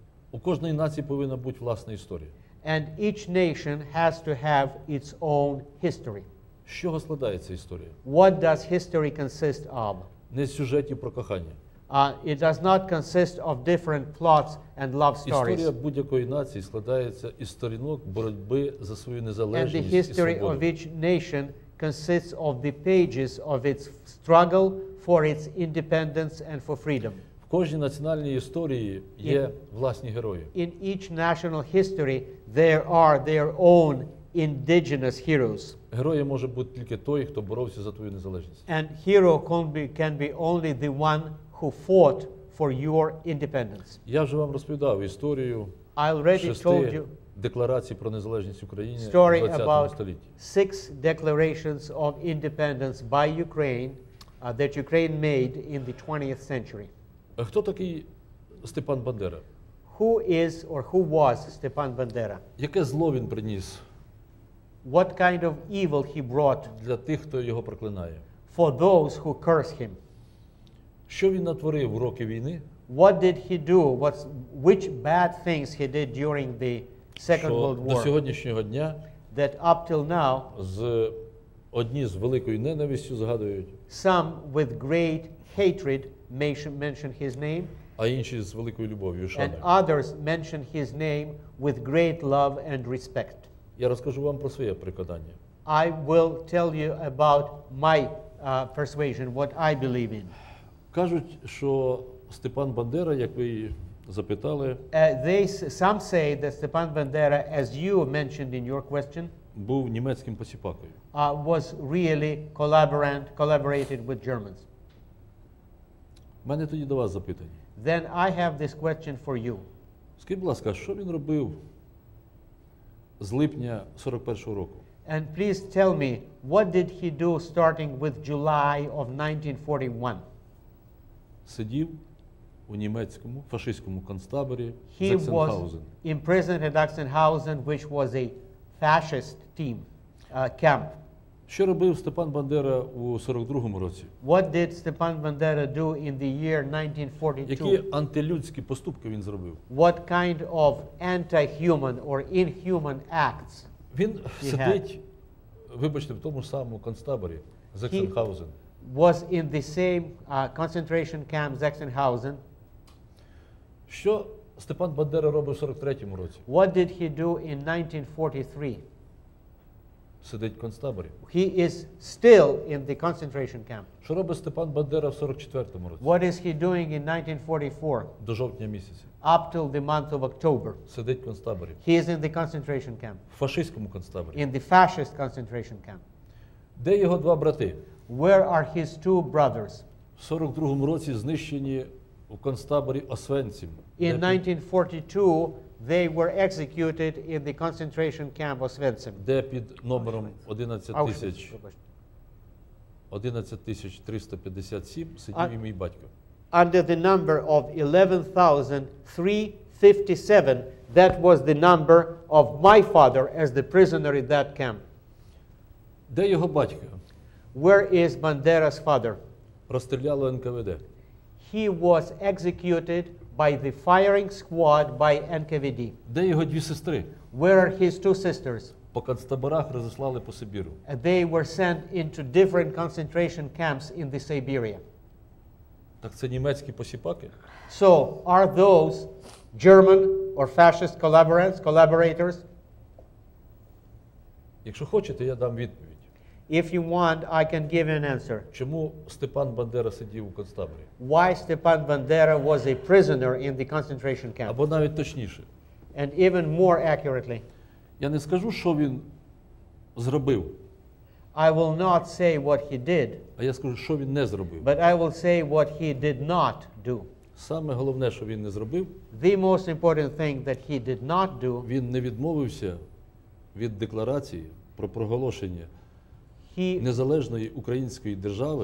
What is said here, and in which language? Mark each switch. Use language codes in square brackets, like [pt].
[uk] У кожної нації повинна бути власна історія. [en] And each nation has to have its own history. [uk] З чого складається історія? [en] What does history consist of? [uk] Не з сюжетів про кохання. [en] It does not consist of different plots and love stories. [uk] Історія будь-якої нації складається із сторінок боротьби за свою незалежність і свободу. [en] And the history of each nation consists of the pages of its struggle for its independence and for freedom. [uk] В кожній національній історії є власні герої. [en] In each national history there are their own indigenous heroes. [uk] Герой може бути тільки той, хто боровся за твою незалежність. [en] And hero can be only the one who fought for your independence. [uk] Я вже вам розповідав історію шести декларацій про незалежність України у 20 столітті. [en] Six declarations of independence by Ukraine that Ukraine made in the 20th century. [uk] Хто такий Степан Бандера? [en] Who is or who was Степан Бандера? [uk] Яке зло він приніс? [en] What kind of evil he brought [uk] для тих, хто його проклинає? [en] For those who curse him. [uk] Що він натворив у роки війни? [en] What did he do? What's, which bad things he did during the Second [uk] що [en] World War? [uk] До сьогоднішнього дня [en] that up till now [uk] з одні з великою ненавистю згадують. [en] Some with great hatred mention his name. [uk] А інші з великою любов'ю шанують. [en] And others mention his name with great love and respect. [uk] Я розкажу вам про своє переконання. [en] I will tell you about my persuasion, what I believe in. [uk] Кажуть, що Степан Бандера, як ви запитали, [en] Some say that Степан Бандера, as you mentioned in your question, [uk] був німецьким посіпакою. [en] Was really collaborated with Germans. [uk] У мене тоді до вас запитання. [en] Then I have this question for you. [uk] Скажіть, будь ласка, що він робив з липня 41-го року? [en] And please tell me, what did he do starting with July of 1941? [uk] Сидів у німецькому фашистському концтаборі [en] Заксенхаузен. He was imprisoned at Sachsenhausen, which was a fascist team camp. [uk] Що робив Степан Бандера у 42-му році? [en] What did Stepan Bandera do in the year 1942? [uk] Які антилюдські поступки він зробив? [en] What kind of anti-human or inhuman acts? [uk] Він сидить, вибачте, в тому самому концтаборі Заксенхаузен. [en] Was in the same concentration camp Sachsenhausen. [uk] Що Степан Бандера робив у 43-му році? [en] What did he do in 1943? [uk] Сидить в концтаборі. [en] He is still in the concentration camp. [uk] Що робить Степан Бандера в 44-му році? [en] What is he doing in 1944? [uk] До жовтня місяця. [en] Up till the month of October. [uk] Сидить в концтаборі. [en] He is in the concentration camp. [uk] В фашистському концтаборі. [en] In the fascist concentration camp. [uk] Де його два брати? [en] Where are his two brothers? [uk] В 42-му році знищені у концтаборі Освенцим. [en] In 1942 they were executed in the concentration camp Освенцим. [uk] Де під номером 11357 сидів і мій батько. [en] Under the number of 11357, that was the number of my father as the prisoner in that camp. [uk] Де його батько? [en] Where is Bandera's father? [uk] Розстріляло НКВД. [en] He was executed by the firing squad by НКВД. [uk] Де його дві сестри? [en] Where are his two sisters? [uk] По концтаборах розіслали по Сибіру. [en] They were sent into different concentration camps in the Siberia. [uk] Так це німецькі посіпаки? [en] So, are those German or fascist collaborators? [uk] Якщо хочете, я дам відповідь. [en] If you want, I can give an answer. [uk] Чому Степан Бандера сидів у концтаборі? [en] Why Stepan Bandera was a prisoner in the concentration camp? [uk] Або навіть точніше. [en] And even more accurately. [uk] Я не скажу, що він зробив. [en] I will not say what he did. [uk] А я скажу, що він не зробив. [en] But I will say what he did not do. [uk] Саме головне, що він не зробив. [en] The most important thing that he did not do. [uk] Він не відмовився від декларації про проголошення незалежної української держави.